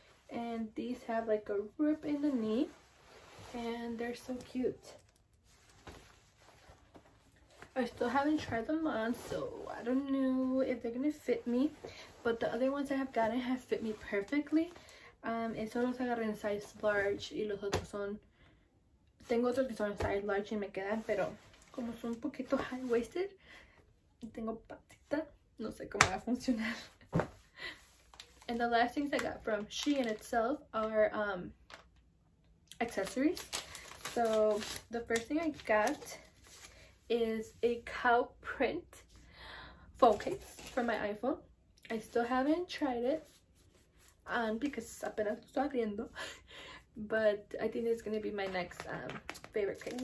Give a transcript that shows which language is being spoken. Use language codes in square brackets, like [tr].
[en] And these have like a rip in the knee, and they're so cute. I still haven't tried them on, so I don't know if they're gonna fit me. But the other ones I have gotten have fit me perfectly. [es] Esos los agarré en size large y los otros son... Tengo otros que son size large y me quedan, pero como son un poquito high-waisted y tengo patita, no sé cómo va a funcionar. [en] And the last things I got from Shein itself are accessories. So the first thing I got is a cow print phone case for my iPhone. I still haven't tried it because [es] apenas estoy abriendo, [en] but I think it's gonna be my next favorite case.